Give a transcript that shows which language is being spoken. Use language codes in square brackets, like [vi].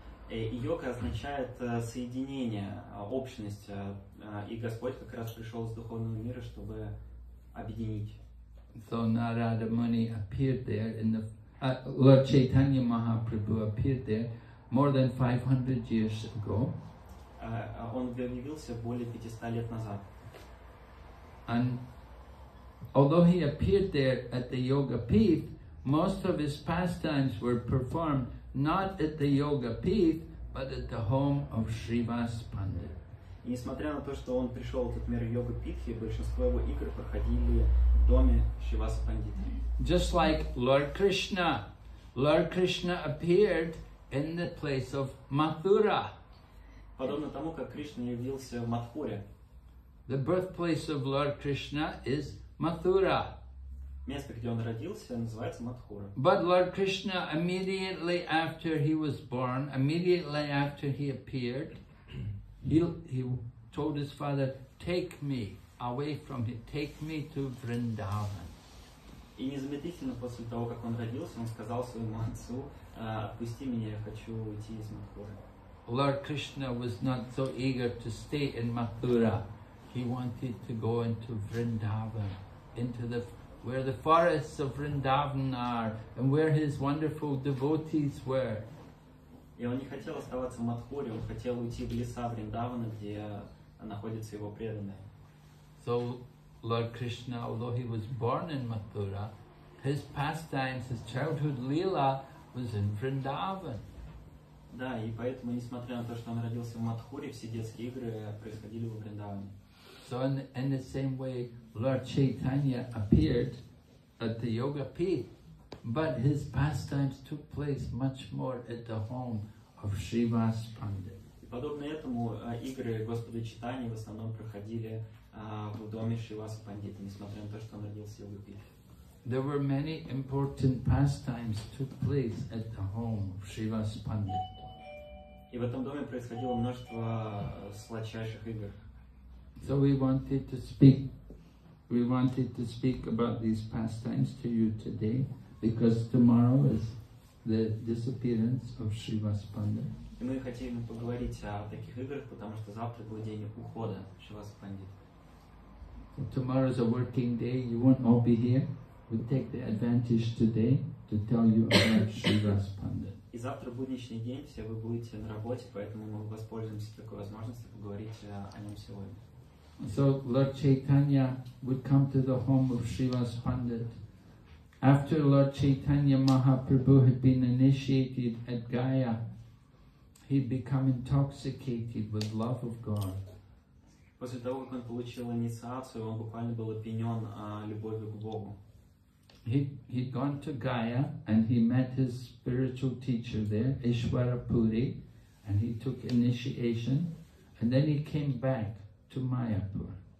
[ru] Йога означает соединение, общность, и Господь как раз пришел из духовного мира, чтобы объединить. [en] So Narada Muni appeared there in the Lord Chaitanya Mahaprabhu appeared there more than 500 years ago. [ru] Он появился более 500 лет назад. [en] And although he appeared there at the Yoga Peak, most of his pastimes were performed not at the Yoga Peak, but at the home of Srivas Pandit. [ru] И несмотря на то, что он пришел в этот мир Йога Питхи, большинство его игр проходили в доме Шриваса Пандита. [en] Just like Lord Krishna. Lord Krishna appeared in the place of Mathura. [ru] Подобно тому, как Кришна явился в Матхуре. [en] The birthplace of Lord Krishna is Mathura. [ru] Место, где он родился, называется Матхура. [en] But Lord Krishna, immediately after he was born, immediately after he appeared, he told his father, "Take me away from here. Take me to Vrindavan." [ru] И незамедлительно после того, как он родился, он сказал своему отцу, "Отпусти меня, я хочу уйти из Матхуры." [en] Lord Krishna was not so eager to stay in Mathura. He wanted to go into Vrindavan, into the where the forests of Vrindavan are, and where his wonderful devotees were. [ru] И он не хотел оставаться в Матхуре, он хотел уйти в леса Вриндавана, где находятся его преданные. [en] So Lord Krishna, although he was born in Mathura, his pastimes, his childhood lila was in Vrindavan. [ru] Да, и поэтому, несмотря на то, что он родился в Матхуре, все детские игры происходили в Вриндаване. [en] So in the same way, Lord Chaitanya appeared at the yoga peak, but his pastimes took place much more at the home of Shrivas Pandit. [ru] И подобно этому игры Господа Чайтаньи в основном проходили в доме Шривас Пандита, несмотря на то, что он родился в йога пи. [en] There were many important pastimes took place at the home of Shrivas Pandit. [ru] И в этом доме происходило множество сладчайших игр. [en] So we wanted to speak about these pastimes to you today, because tomorrow is the disappearance of Shrivas Pandit. [ru] И мы хотим поговорить о таких играх, потому что завтра будет день ухода Шривас Пандит. [en] Tomorrow is a working day, you won't all be here. We take the advantage today to tell you about Shrivas Pandit. [ru] И завтра будничный день, все вы будете на работе, поэтому мы воспользуемся такой возможностью поговорить о нем сегодня. [en] So Lord Chaitanya would come to the home of Shrivas Pandit. After Lord Chaitanya Mahaprabhu had been initiated at Gaya, he'd become intoxicated with love of God. [ru] После того, как он получил инициацию, он буквально был опьянен любовью к Богу. [en] He'd gone to Gaya and he met his spiritual teacher there, Ishwarapuri, and he took initiation, and then he came back to Mayapur.